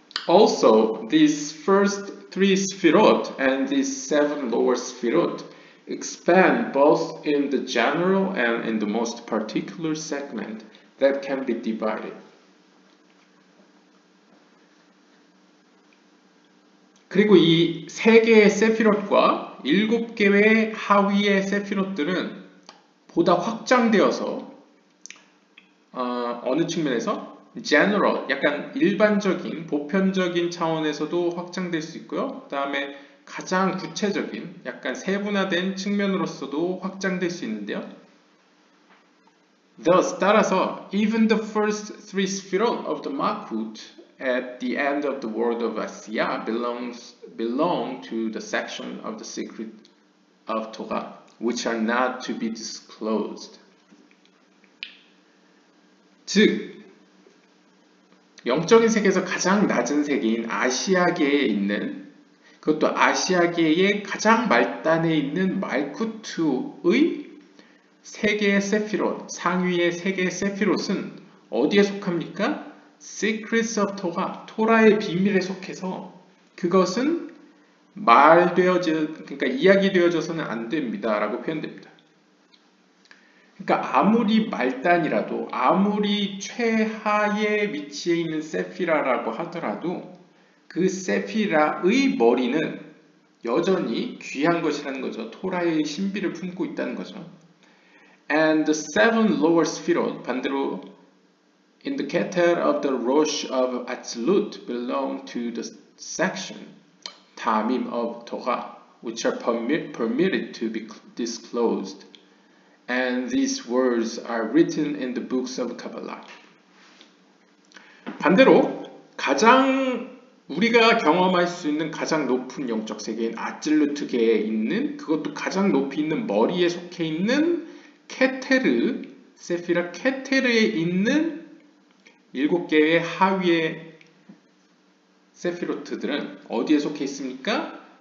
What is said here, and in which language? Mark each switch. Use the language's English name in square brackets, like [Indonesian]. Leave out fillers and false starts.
[English] Also, these first three sphirot and these seven lower sphirot expand both in the general and in the most particular segment that can be divided. [Korean] 그리고 이 세 개의 세피롯과 일곱 개의 하위의 세피롯들은 보다 확장되어서 어느 측면에서 general, 약간 일반적인 보편적인 차원에서도 확장될 수 있고요. 그다음에 가장 구체적인 약간 세분화된 측면으로서도 확장될 수 있는데요. [English] Thus, [Korean] 따라서 [English] even the first three spherot of the Makut at the end of the world of Asiya belong to the section of the secret of Torah, which are not to be disclosed. [Korean] 즉, 영적인 세계에서 가장 낮은 세계인 아시아계에 있는, 그것도 아시아계의 가장 말단에 있는 말쿠트의 세계의 세피롯, 상위의 세계의 세피롯은 어디에 속합니까? [English] Secrets of Torah, [Korean] 토라의 비밀에 속해서 그것은 그러니까 이야기되어져서는 안 됩니다. 라고 표현됩니다. 그러니까 아무리 말단이라도, 아무리 최하의 위치에 있는 세피라라고 하더라도 그 세피라의 머리는 여전히 귀한 것이라는 거죠. 토라의 신비를 품고 있다는 거죠. [English] And the seven lower spheres, [Korean] 반대로 [English] in the Keter of the Rosh of Atzilut belong to the section Tamim of Torah, which are permitted to be disclosed. And these words are written in the books of Kabbalah. [Korean] 반대로 가장 우리가 경험할 수 있는 가장 높은 영적 세계인 아틀루트계에 있는, 그것도 가장 높이 있는 머리에 속해 있는 케테르, 세피라 케테르에 있는 일곱 개의 하위의 세피로트들은 어디에 속해 있습니까?